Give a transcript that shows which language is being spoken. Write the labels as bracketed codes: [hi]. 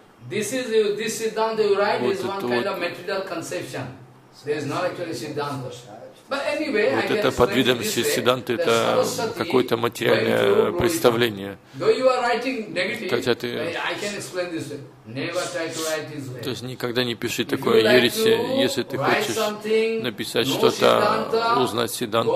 [en] This Siddhanta you write is one kind of material conception. There is not actually Siddhanta. But anyway, I guess. [ru] Вот это под видом Сиддханты, это какое-то материальное представление. [en] Though you are writing negative, I can explain this way. Never try to write this way. [ru] То есть никогда не пиши такое ереси, если ты хочешь написать что-то, узнать Сиддханту.